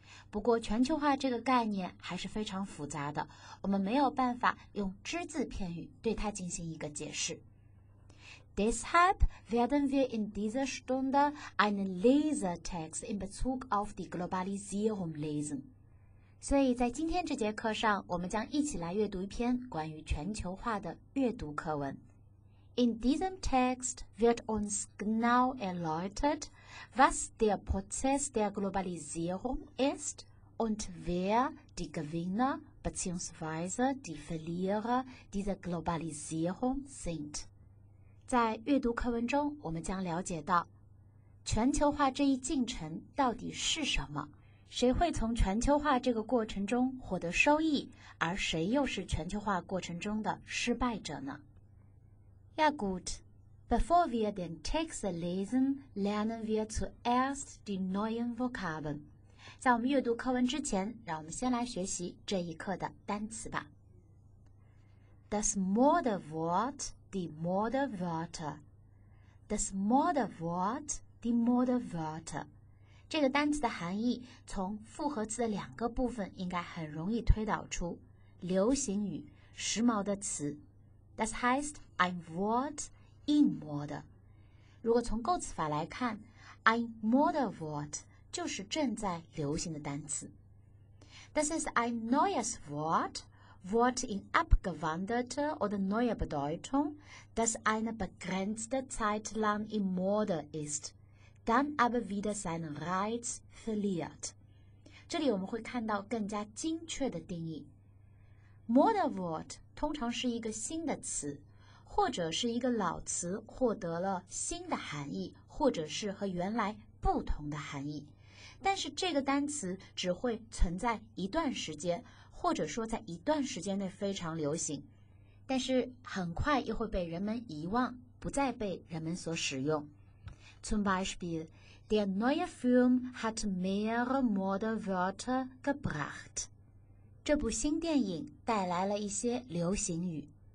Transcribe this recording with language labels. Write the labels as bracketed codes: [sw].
[zh] 不过全球化这个概念还是非常复杂的，我们没有办法用只字片语对它进行一个解释。 [de] Deshalb werden wir in dieser Stunde einen Lesetext in Bezug auf die Globalisierung lesen. [zh] 所以在今天这节课上，我们将一起来阅读一篇关于全球化的阅读课文。 [de] In diesem Text wird uns genau erläutert,was der Prozess der Globalisierung ist und wer die Gewinner bzw. die Verlierer dieser Globalisierung sind. [zh] 在阅读课文中，我们将了解到全球化这一进程到底是什么，谁会从全球化这个过程中获得收益，而谁又是全球化过程中的失败者呢？ [de] Ja gut. Bevor wir den Text lesen, lernen wir zuerst die neuen Vokabeln. [zh] 在我们阅读课文之前，让我们先来学习这一课的单词吧。 [de] Das Modewort, die Modewörter. Das Modewort, die Modewörter. [zh] 这个单词的含义从复合词的两个部分应该很容易推导出，流行语，时髦的词。 [de] Das heißt ein Wort. In mode. [zh] 如果从构词法来看 ,ein Modewort 就是正在流行的单词。 [en] This is [de] ein neues Wort, Wort in abgewandelter oder neuer Bedeutung, das eine begrenzte Zeit lang in Mode ist, dann aber wieder seinen Reiz verliert. [zh] 这里我们会看到更加精确的定义。 Modewort 通常是一个新的词。或者是一个老词获得了新的含义，或者是和原来不同的含义。但是这个单词只会存在一段时间，或者说在一段时间内非常流行，但是很快又会被人们遗忘，不再被人们所使用。 [de] Zum Beispiel, der neue Film hat mehrere Modewörter gebracht. [zh] 这部新电影带来了一些流行语。